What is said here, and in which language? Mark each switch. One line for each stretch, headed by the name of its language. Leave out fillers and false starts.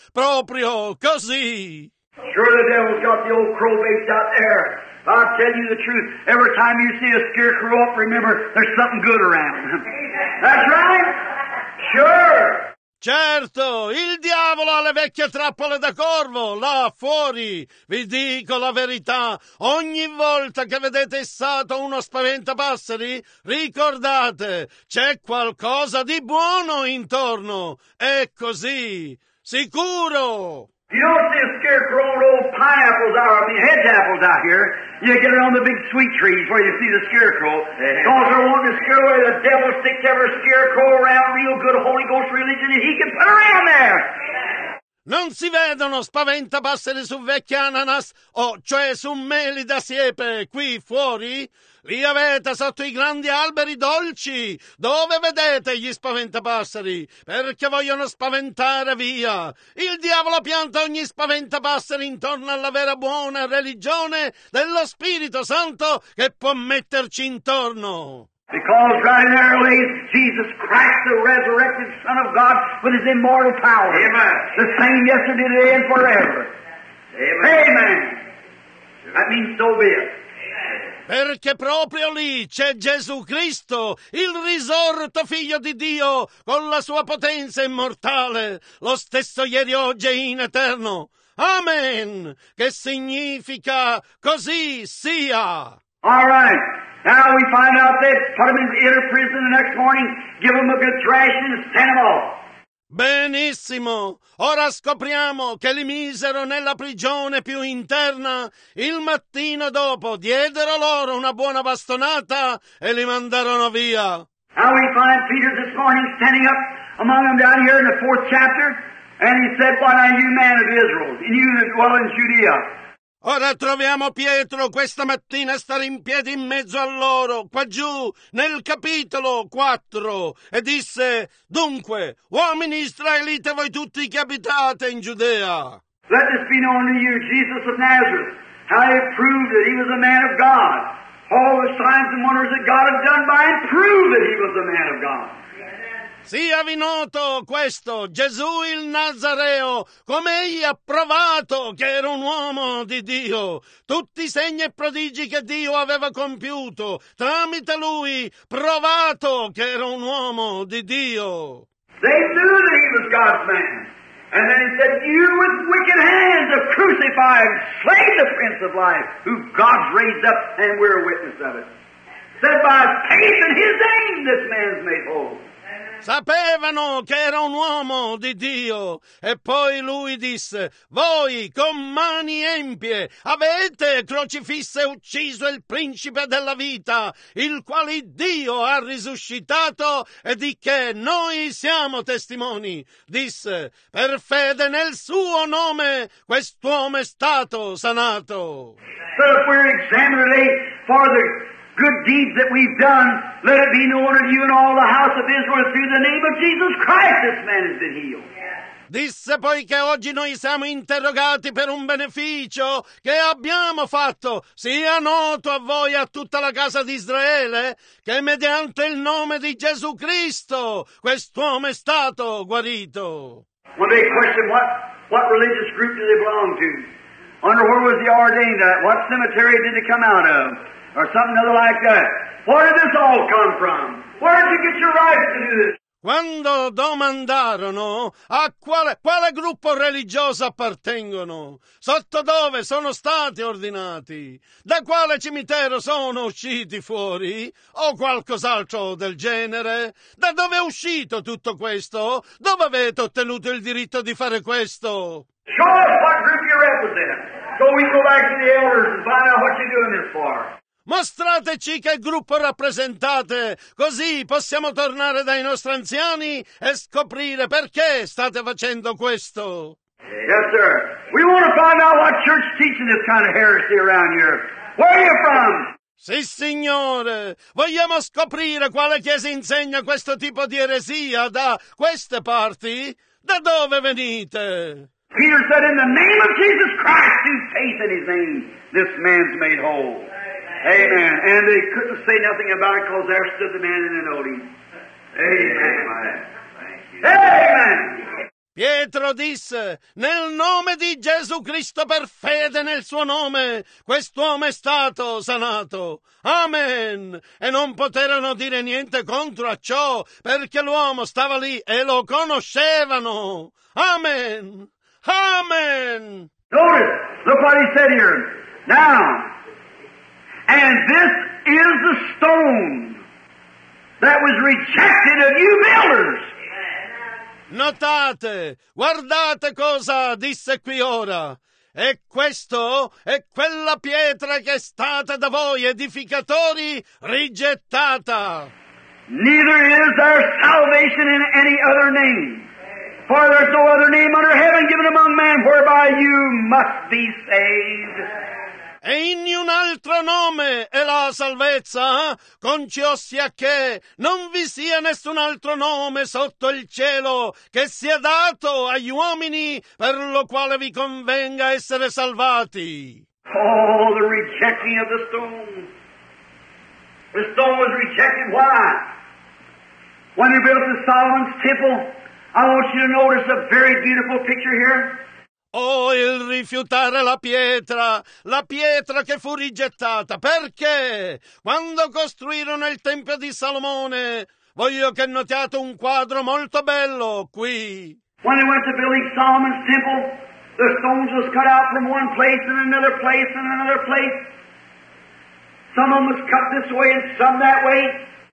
Italian: Proprio così.
English: Sure the devil's got the old crow baits out there. I'll tell you the truth. Every time you see a scarecrow up, remember there's something good around him. That's right. Sure.
Italian: Certo, il diavolo ha le vecchie trappole da corvo, là fuori. Vi dico la verità, ogni volta che vedete issato uno spaventapasseri, ricordate, c'è qualcosa di buono intorno. È così, sicuro.
English: You don't see a scarecrow on old pineapples out, hedge apples out here. You get it on the big sweet trees where you see the scarecrow. Because they're wanting to scare away the devil, stick every scarecrow around, real good Holy Ghost religion, and he can put around there.
Italian: Non si vedono spaventapasseri su vecchie ananas, o cioè su meli da siepe qui fuori? Li avete sotto i grandi alberi dolci, dove vedete gli spaventapasseri? Perché vogliono spaventare via. Il diavolo pianta ogni spaventapasseri intorno alla vera buona religione dello Spirito Santo che può metterci intorno.
English: Because right there lays Jesus Christ, the resurrected Son of God, with his immortal power. Amen. The same yesterday, today, and forever. Amen. Amen. That means so be it. Amen.
Italian: Perché proprio lì c'è Gesù Cristo, il risorto figlio di Dio, con la sua potenza immortale, lo stesso ieri, oggi e in eterno. Amen! Che significa così sia!
English: All right! Now we find out they put him in the inner prison the next morning, give him a good thrashing and send him off.
Italian: Benissimo! Ora scopriamo che li misero nella prigione più interna. Il mattino dopo diedero loro una buona bastonata e li mandarono via.
English: Now we find Peter this morning standing up among them down here in the fourth chapter, and he said, "What are you, man of Israel, and you that dwell in Judea?"
Italian: Ora troviamo Pietro questa mattina stare in piedi in mezzo a loro, qua giù, nel capitolo 4, e disse, dunque, uomini israelite voi tutti che abitate in Giudea.
English: Let this be known to you, Jesus of Nazareth, how he proved that he was a man of God. All the signs and wonders that God had done by him proved that he was a man of God.
Italian: Sia vi noto questo, Gesù il Nazareo, come egli ha provato che era un uomo di Dio. Tutti i segni e prodigi che Dio aveva compiuto, tramite lui, provato che era un uomo di Dio.
English: They knew that he was God's man. And then he said, you with wicked hands have crucified, slain the Prince of Life, who God's raised up, and we're a witness of it. Said, by faith in his name this man's made whole.
Italian: Sapevano che era un uomo di Dio. E poi lui disse, voi con mani empie avete crocifisso e ucciso il principe della vita, il quale Dio ha risuscitato e di che noi siamo testimoni. Disse, per fede nel suo nome quest'uomo è stato sanato.
English: So if we're examined for the good deeds that we've done, let it be known to you and all the house of Israel through the name of Jesus Christ, this man has been healed.
Italian: Disse poi che oggi noi siamo interrogati per un beneficio che abbiamo fatto. Sia noto a voi e a tutta la casa di Israele che mediante il nome di Gesù Cristo quest'uomo è stato guarito.
English: When they question what religious group do they belong to? Under where was he ordained at? What cemetery did he come out of? Or something other like that. Where did this all come from? Where did you get your rights to do this?
Italian: Quando domandarono a quale gruppo religioso appartengono, sotto dove sono stati ordinati, da quale cimitero sono usciti fuori, o qualcos'altro del genere, da dove è uscito tutto questo, dove avete ottenuto il diritto di fare questo?
English: Show us what group you represent. So we go back to the elders and find out what you're doing this for.
Italian: Mostrateci che gruppo rappresentate, così possiamo tornare dai nostri anziani e scoprire perché state facendo questo.
English: Yes, sir. We want to find out what church teaching this kind of heresy around here. Where are you from?
Italian: Sì, signore. Vogliamo scoprire quale chiesa insegna questo tipo di eresia da queste parti. Da dove venite?
English: Peter said, in the name of Jesus Christ, through faith in his name, this man's made whole. Amen. And they couldn't say nothing about it because there stood the man in the noting. Amen. Amen. Thank you. Amen.
Italian: Pietro disse, nel nome di Gesù Cristo per fede nel suo nome, quest'uomo è stato sanato. Amen. E non poterono dire niente contro a ciò, perché l'uomo stava lì e lo conoscevano. Amen. Amen.
English: Notice, look what he said here. Now, and this is the stone that was rejected of you builders.
Italian: Notate, guardate cosa disse qui ora. E questo è quella pietra che è stata da voi edificatori rigettata.
English: Neither is there salvation in any other name. For there's no other name under heaven given among men whereby you must be saved.
Italian: E in un altro nome è la salvezza, concio sia che non vi sia nessun altro nome sotto il cielo che sia dato agli uomini per lo quale vi convenga essere salvati.
English: Oh, the rejecting of the stone. The stone was rejected. Why? When he built the Solomon's temple, I want you to notice a very beautiful picture here.
Italian: Oh, il rifiutare la pietra che fu rigettata. Perché? Quando costruirono il Tempio di Salomone, voglio che notiate un quadro molto bello qui.
English: When they went to build Solomon's temple, the stones was cut out from one place and another place and another place. Some of them was cut this way and some that way.